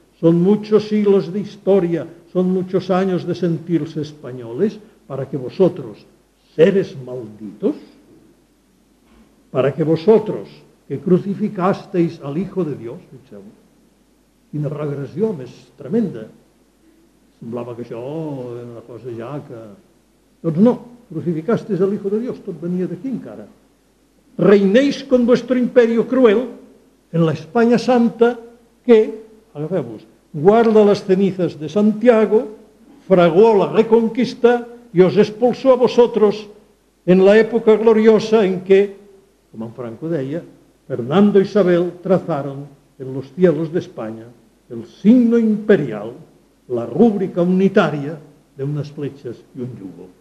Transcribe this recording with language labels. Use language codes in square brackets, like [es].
[es] Son muchos siglos de historia, son muchos años de sentirse españoles, para que vosotros, seres malditos, para que vosotros, que crucificasteis al Hijo de Dios, [ca] fixeu, quina regressió més tremenda. Semblava que això era una cosa ja que... Doncs no, [es] crucificasteis al Hijo de Dios, [ca] tot venia d'aquí encara. [es] Reineis con vuestro imperio cruel en la España Santa que, agafeu-vos, guarda las cenizas de Santiago, fragó la Reconquista y os expulsó a vosotros en la época gloriosa en que, como en Franco deia, Fernando e Isabel trazaron en los cielos de España el signo imperial, la rúbrica unitaria de unas flechas y un yugo.